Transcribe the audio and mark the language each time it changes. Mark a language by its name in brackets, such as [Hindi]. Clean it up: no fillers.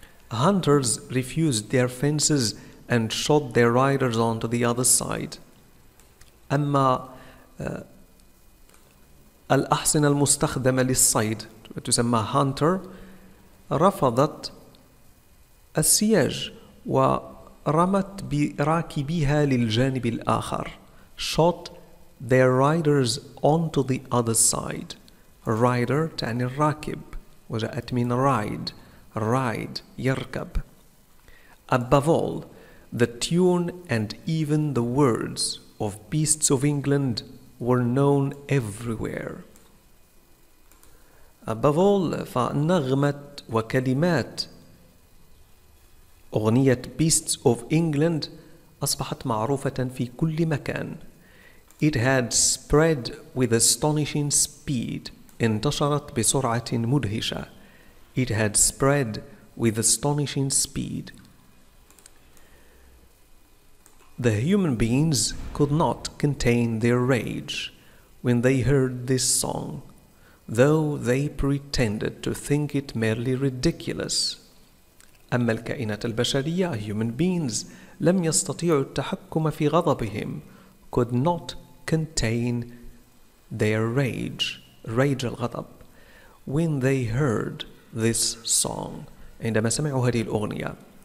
[English] Hunters refused their fences and shot their riders onto the other side. [Arabic] أما الأحصنة المستخدمة للصيد تسمى hunter, رفضت السياج و رمت براكبيها للجانب الآخر. [English] Shot their riders onto the other side. [Arabic] Rider تعني الراكب, وجاءت من ride, يركب. [English] Above all, the tune and even the words of beasts of England were known everywhere. Above all, [Arabic] فنغمة وكلمات أغنية Beasts of England أصبحت معروفة في كل مكان. [English] It had spread with astonishing speed. [Arabic] انتشرت بسرعة مدهشة. [English] It had spread with astonishing speed. The human beings could not contain their rage when they heard this song, though they pretended to think it merely ridiculous. [Arabic] أما الكائنات البشرية, [English] human beings, [Arabic] لم يستطيعوا التحكم في غضبهم, [English] could not contain their rage, [Arabic] ريج الغضب [English] when they heard this song, [Arabic] عندما سمعوا هذه الأغنية.